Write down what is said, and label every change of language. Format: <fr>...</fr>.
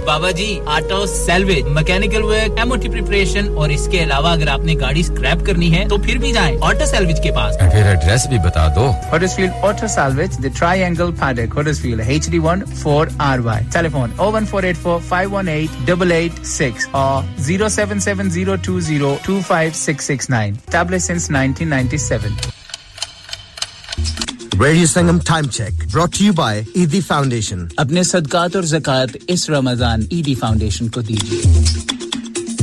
<hi>बाबा जी auto salvage mechanical work, MOT preparation और इसके अलावा अगर आपने गाड़ी स्क्रैप करनी है तो फिर भी जाएं ऑटो सेल्वेज के पास। फिर एड्रेस भी बता दो।</hi> <en>Huddersfield auto salvage, the triangle paddock, Huddersfield, HD1 4RY, telephone 01484518886 और 07702025669, tablet since 1997। Radio Sangam Time Check, brought to you by ED Foundation.</en> <hi>अपने सदकात और ज़कात इस रमज़ान ED Foundation को दीजिए।</hi>